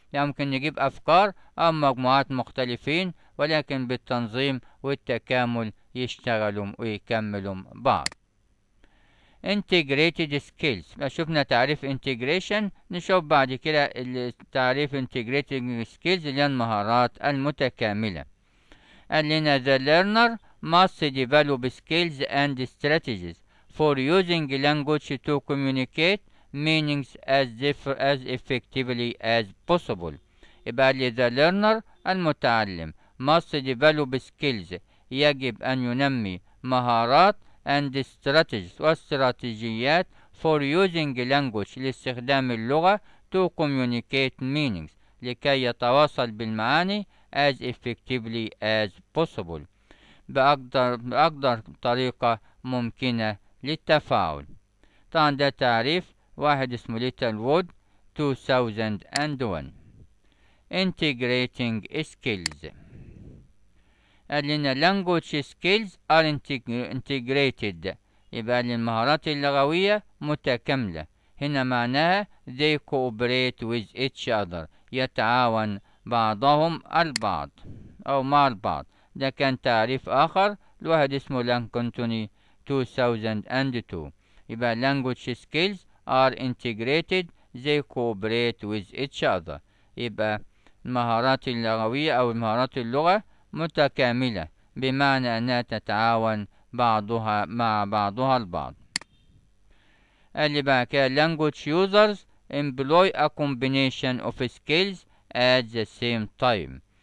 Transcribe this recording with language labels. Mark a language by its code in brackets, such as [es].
[ar] يمكن نجيب أفكار أو مجموعات مختلفين ولكن بالتنظيم والتكامل يشتغلوا ويكملوا بعض. [en] Integrated skills. [ar] شفنا تعريف integration. نشوف بعد كده التعريف [en] integrated skills [ar] اللي هي المهارات المتكاملة. قال لنا [en] the learner must develop skills and strategies for using language to communicate meanings as effectively as possible. [ar] يبقى لي [en] the learner [ar] المتعلم [en] must develop skills [ar] يجب أن ينمي مهارات [en] and strategies [ar] واستراتيجيات [en] for using language [ar] لاستخدام اللغة [en] to communicate meanings [ar] لكي يتواصل بالمعاني [en] as effectively as possible [ar] بأقدر طريقة ممكنة للتفاعل. طبعا ده تعريف واحد اسمه Little Wood 2001. [en] Integrating Skills [ar] قال لنا [en] Language Skills are integrated [ar] يبقى للمهارات اللغوية متكاملة. هنا معناها [en] They cooperate with each other [ar] يتعاون بعضهم البعض أو مع البعض. ده كان تعريف آخر لواحد اسمه لانكونتوني 2002. يبقى [en] language skills are integrated they cooperate with each other. [ar] يبقى المهارات اللغوية أو المهارات اللغة متكاملة بمعنى أنها تتعاون بعضها مع بعضها البعض. اللي بقى كان [en] language users employ a combination of skills at the same time.